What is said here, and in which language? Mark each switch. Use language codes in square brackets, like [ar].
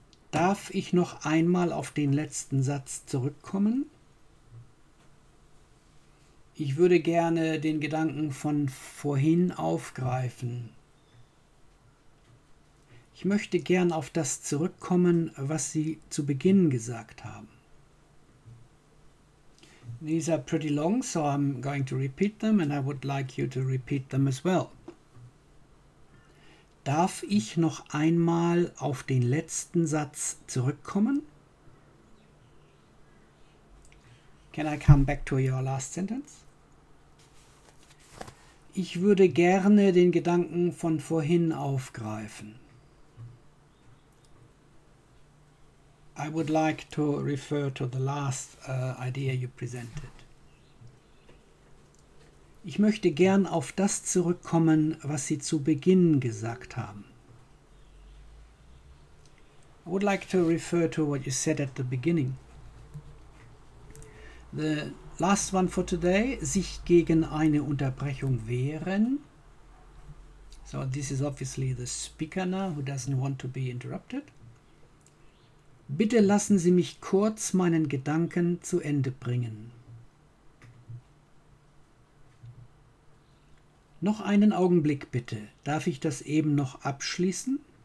[de] Darf ich noch einmal auf den letzten Satz zurückkommen? Ich würde gerne den Gedanken von vorhin aufgreifen. Ich möchte gern auf das zurückkommen, was Sie zu Beginn gesagt haben. [en] These are pretty long, so I'm going to repeat them and I would like you to repeat them as well. [de] Darf ich noch einmal auf den letzten Satz zurückkommen? [en] Can I come back to your last sentence? [de] Ich würde gerne den Gedanken von vorhin aufgreifen. [en] I would like to refer to the last idea you presented. [de] Ich möchte gern auf das zurückkommen, was Sie zu Beginn gesagt haben. [en] I would like to refer to what you said at the beginning. The last one for today, [de] sich gegen eine Unterbrechung wehren. [en] So this is obviously the speaker now, who doesn't want to be interrupted. [de] Bitte lassen Sie mich kurz meinen Gedanken zu Ende bringen. Noch einen Augenblick bitte. Darf ich das eben noch abschließen?